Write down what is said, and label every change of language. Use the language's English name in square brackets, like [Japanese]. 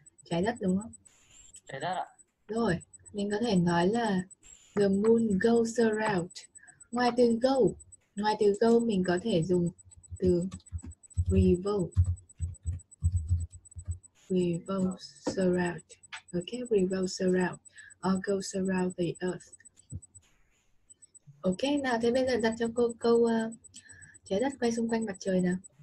[Vietnamese] Trái đất đúng không? Trái đất ạ. Rồi, mình có thể nói là [English] the moon goes around. [Vietnamese] Ngoài từ go, mình có thể dùng từ revolves around. [English] Okay, revolves around or goes around the earth. [Vietnamese] Okay, nào thế bây giờ đặt cho cô câu trái đất quay xung quanh mặt trời nào.